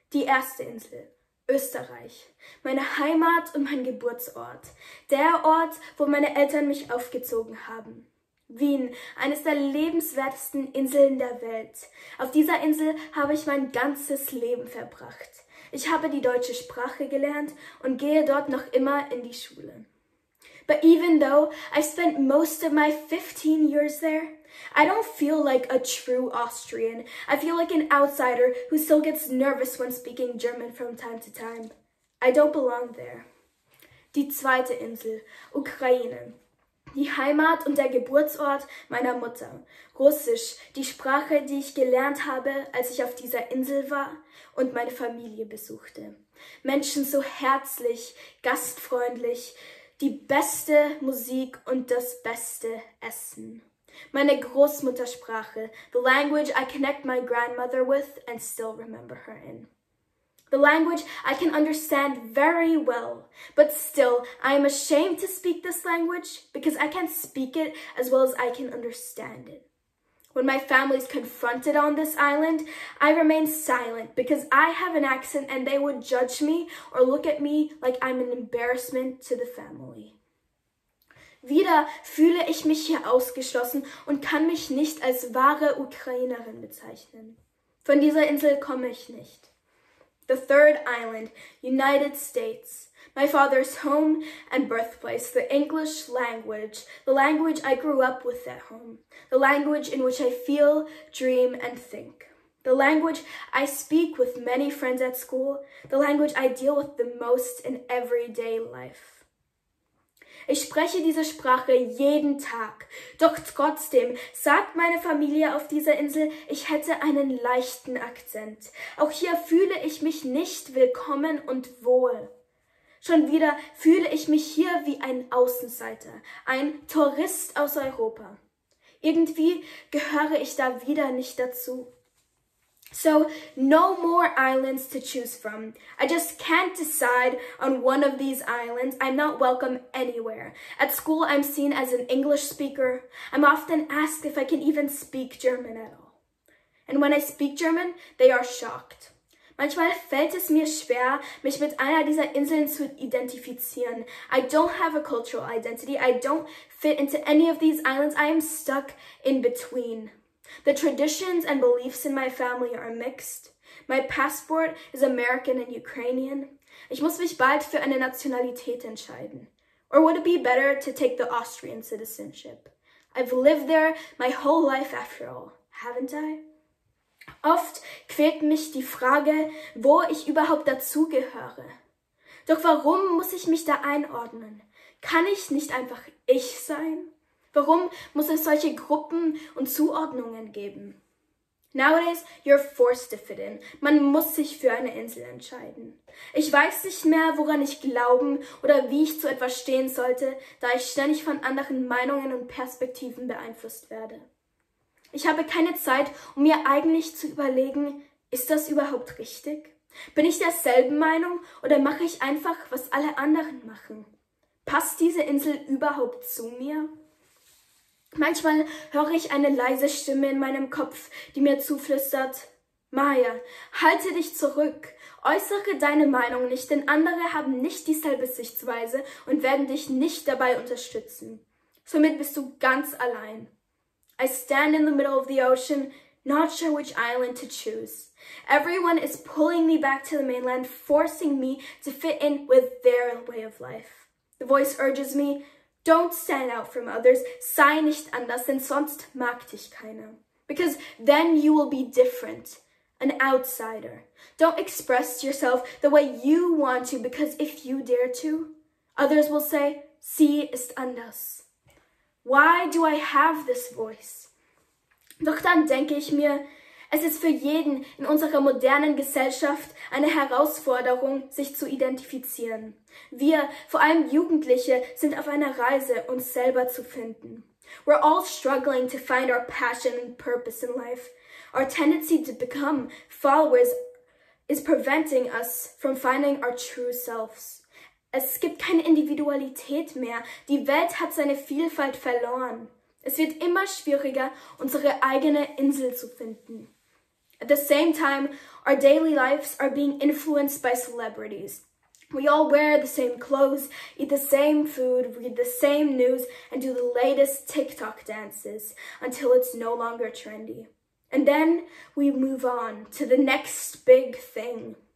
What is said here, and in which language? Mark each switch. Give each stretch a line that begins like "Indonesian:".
German: Die erste Insel, Österreich, meine Heimat und mein Geburtsort, der Ort, wo meine Eltern mich aufgezogen haben. Wien, eines der lebenswertesten Inseln der Welt. Auf dieser Insel habe ich mein ganzes Leben verbracht. Ich habe die deutsche Sprache gelernt und gehe dort noch immer in die Schule.
English: But even though I spent most of my 15 years there, I don't feel like a true Austrian. I feel like an outsider who still gets nervous when speaking German from time to time. I don't belong there.
German: Die zweite Insel, Ukraine. Die Heimat und der Geburtsort meiner Mutter. Russisch, die Sprache, die ich gelernt habe, als ich auf dieser Insel war und meine Familie besuchte. Menschen so herzlich, gastfreundlich, die beste Musik und das beste Essen. Meine Großmuttersprache,
English: the language I connect my grandmother with and still remember her in. The language I can understand very well, but still, I am ashamed to speak this language because I can't speak it as well as I can understand it. When my family is confronted on this island, I remain silent because I have an accent and they would judge me or look at me like I'm an embarrassment to the family.
German: Wieder fühle ich mich hier ausgeschlossen und kann mich nicht als wahre Ukrainerin bezeichnen. Von dieser Insel komme ich nicht.
English: The third island, United States. My father's home and birthplace, the English language, the language I grew up with at home, the language in which I feel, dream, and think, the language I speak with many friends at school, the language I deal with the most in everyday life.
German: Ich spreche diese Sprache jeden Tag, doch trotzdem sagt meine Familie auf dieser Insel, ich hätte einen leichten Akzent. Auch hier fühle ich mich nicht willkommen und wohl. Schon wieder fühle ich mich hier wie ein Außenseiter, ein Tourist aus Europa. Irgendwie gehöre ich da wieder nicht dazu.
English: So, no more islands to choose from. I just can't decide on one of these islands. I'm not welcome anywhere. At school, I'm seen as an English speaker. I'm often asked if I can even speak German at all. And when I speak German, they are shocked.
German: Manchmal fällt es mir schwer, mich mit einer dieser Inseln zu identifizieren.
English: I don't have a cultural identity. I don't fit into any of these islands. I am stuck in between. The traditions and beliefs in my family are mixed. My passport is American and Ukrainian.
German: Ich muss mich bald für eine Nationalität entscheiden.
English: Or would it be better to take the Austrian citizenship? I've lived there my whole life after all, haven't I?
German: Oft quält mich die Frage, wo ich überhaupt dazugehöre. Doch warum muss ich mich da einordnen? Kann ich nicht einfach ich sein? Warum muss es solche Gruppen und Zuordnungen geben?
English: Nowadays, you're forced to fit in.
German: Man muss sich für eine Insel entscheiden. Ich weiß nicht mehr, woran ich glauben oder wie ich zu etwas stehen sollte, da ich ständig von anderen Meinungen und Perspektiven beeinflusst werde. Ich habe keine Zeit, um mir eigentlich zu überlegen, ist das überhaupt richtig? Bin ich derselben Meinung oder mache ich einfach, was alle anderen machen? Passt diese Insel überhaupt zu mir? Manchmal höre ich eine leise Stimme in meinem Kopf, die mir zuflüstert, Maya, halte dich zurück, äußere deine Meinung nicht, denn andere haben nicht dieselbe Sichtweise und werden dich nicht dabei unterstützen. Somit bist du ganz allein.
English: I stand in the middle of the ocean, not sure which island to choose. Everyone is pulling me back to the mainland, forcing me to fit in with their way of life. The voice urges me, don't stand out from others,
German: sei nicht anders, denn sonst mag dich keiner.
English: Because then you will be different, an outsider. Don't express yourself the way you want to, because if you dare to, others will say,
German: sie ist anders.
English: Why do I have this voice?
German: Doch dann denke ich mir, Es ist für jeden in unserer modernen Gesellschaft eine Herausforderung, sich zu identifizieren. Wir, vor allem Jugendliche, sind auf einer Reise, uns selber zu finden.
English: We're all struggling to find our passion and purpose in life. Our tendency to become followers is preventing us from finding our true selves.
German: Es gibt keine Individualität mehr. Die Welt hat seine Vielfalt verloren. Es wird immer schwieriger, unsere eigene Insel zu finden.
English: At the same time, our daily lives are being influenced by celebrities. We all wear the same clothes, eat the same food, read the same news, and do the latest TikTok dances until it's no longer trendy. And then we move on to the next big thing.